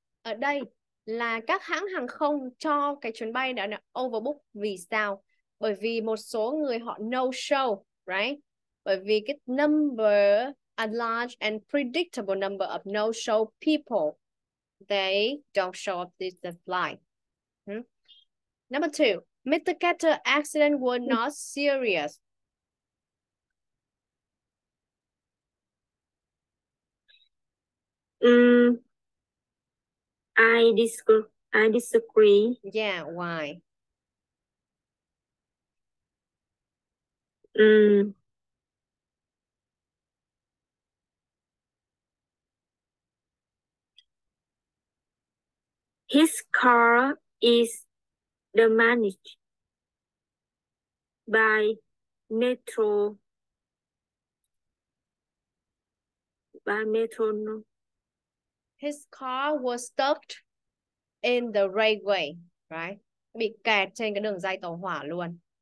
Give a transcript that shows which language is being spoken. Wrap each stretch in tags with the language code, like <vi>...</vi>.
<vi>Ở đây là các hãng hàng không cho cái chuyến bay đã overbook. Vì sao? Bởi vì một số người họ no show, right? Bởi vì cái</vi> <en>number, a large and predictable number of no show people, they don't show up to the flight. Number two, Mr. Carter's accident was not serious. I disagree. Yeah, why? His car is damaged by metro. No. His car was stuck in the railway, right?</en> <vi>Bị kẹt trên cái đường dây tàu hỏa luôn.</vi>